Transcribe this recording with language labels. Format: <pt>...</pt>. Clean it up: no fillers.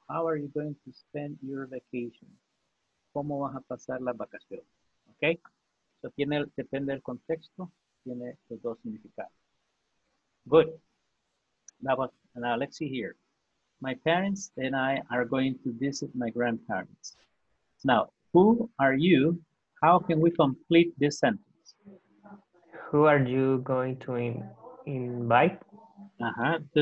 <en>How are you going to spend your vacation?</en> <es>¿Cómo vas a pasar la vacación? ¿Ok? So tiene, depende del contexto, tiene los dos significados.</es> <en>Good. Now let's see here. My parents and I are going to visit my grandparents. Now, who are you? How can we complete this sentence? Who are you going to invite? Uh-huh.</en>